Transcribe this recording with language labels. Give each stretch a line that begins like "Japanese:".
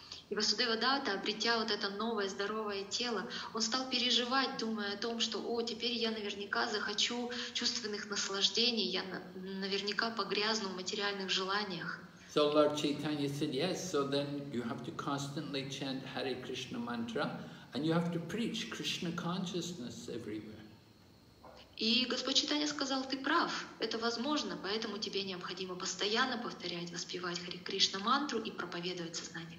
Russian: И Васудева Дата, обретя вот это новое здоровое тело, он стал переживать, думая о том, что: «О, теперь я наверняка захочу чувственных наслаждений, я наверняка погрязну в материальных желаниях».
English: So Lord Chaitanya said, yes, so then you have to constantly chant Hare Krishna mantra, and you have to preach Krishna consciousness everywhere.
Russian: И Господь Чайтанья сказал: ты прав, это возможно, поэтому тебе необходимо постоянно повторять, воспевать Хари Кришна мантру и проповедовать сознание